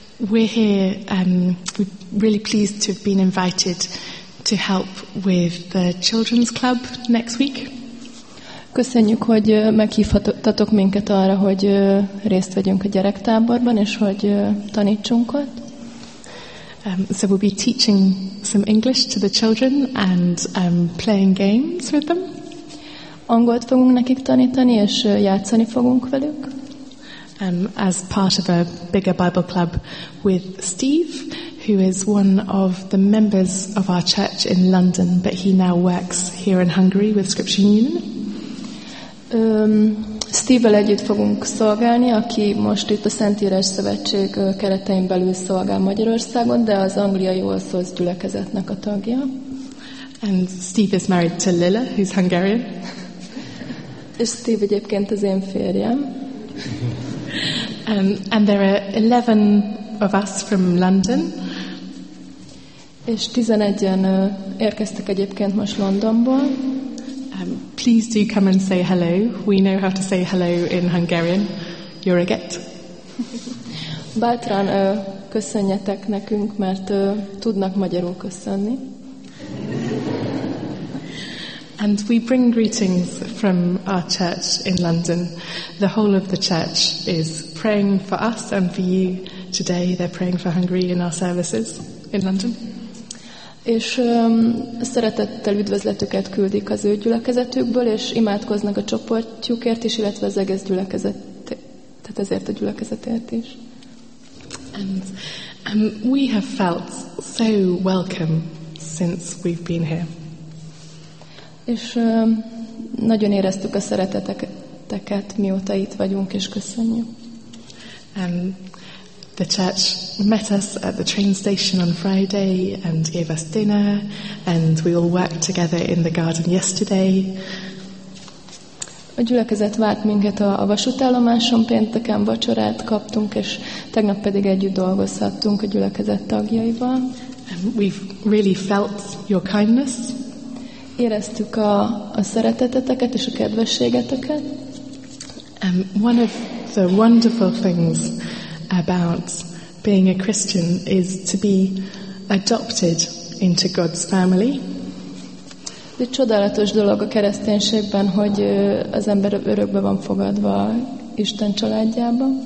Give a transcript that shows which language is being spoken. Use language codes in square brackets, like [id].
[en] We're here, we're really pleased to have been invited to help with the children's club next week. [hu] Köszönjük, hogy meghívhatatok minket arra, hogy részt vegyünk a gyerektáborban, és hogy tanítsunk ott. [en] So we'll be teaching some English to the children and playing games with them. [hu] Angolt fogunk nekik tanítani, és játszani fogunk velük. [en] As part of a bigger Bible club with Steve, who is one of the members of our church in London, but he now works here in Hungary with Scripture Union. [hu] Steve-vel együtt fogunk szolgálni, aki most itt a Szentírás Szövetség keretein belül szolgál Magyarországon, de az angliai Olszóz gyülekezetnek a tagja. [en] And Steve is married to Lilla, who's Hungarian. [hu] És Steve egyébként az én férjem. [en] And there are 11 of us from London. [hu] És 11-en érkeztek egyébként most Londonból. [en] Please do come and say hello. We know how to say hello in Hungarian. [hu] Jöreget. Bátran köszönjetek nekünk, mert tudnak magyarul köszönni. [en] And we bring greetings from our church in London. The whole of the church is praying for us and for you today. They're praying for Hungary in our services in London. [hu] És szeretettel üdvözletüket küldik az ő gyülekezetükből, és imádkoznak a csoportjukért is, illetve az egész gyülekezetért, tehát ezért a gyülekezetért is. [en] And we have felt so welcome since we've been here. [hu] És nagyon éreztük a szereteteket, mióta itt vagyunk, és köszönjük. [en] The church met us at the train station on Friday and gave us dinner, and we all worked together in the garden yesterday. [hu] A gyülekezet várt minket a vasútállomáson, pénteken vacsorát kaptunk, és tegnap pedig együtt dolgozhattunk a gyülekezet tagjaival. [en] We've really felt your kindness. [hu] Éreztük a szereteteteket és a kedvességeteket. [en] One of the wonderful things about being a Christian is to be adopted into God's family. [hu] De csodálatos dolog a kereszténységben, hogy az ember örökbe van fogadva Isten családjába.